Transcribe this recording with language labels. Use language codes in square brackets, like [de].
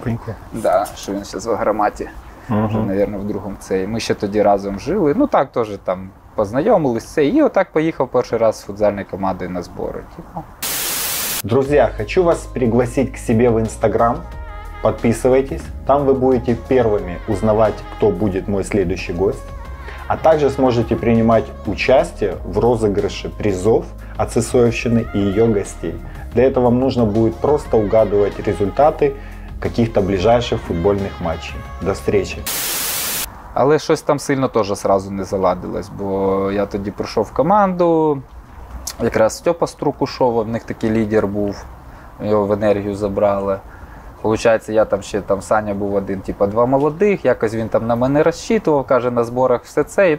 [uk] Пунько. Да, що він зараз в Граматі. Угу. Наверно, в другому цей. Ми ще тоді разом жили. Ну, так, теж там познайомились цей. І отак поїхав перший раз з футзальної команди на збори. Друзі, хочу вас пригласити к себе в Instagram. Підписуйтесь. Там ви будете першими узнавати, хто буде [ru] мой следующий гость. [uk] А також зможете приймати участь [ru] в розыгрыше призов от Сысоевщины и ее гостей. Для этого вам нужно будет просто угадывать результаты каких-то ближайших футбольных матчей. До встречи! [uk] Але щось там сильно теж сразу не заладилось, бо я тоді прийшов в команду, якраз Степа Струкушов, в них такий лідер був, його в енергію забрали. Получається, я там ще там Саня був один, типа два молодих, якось він там на мене розчитував, каже, на зборах все це.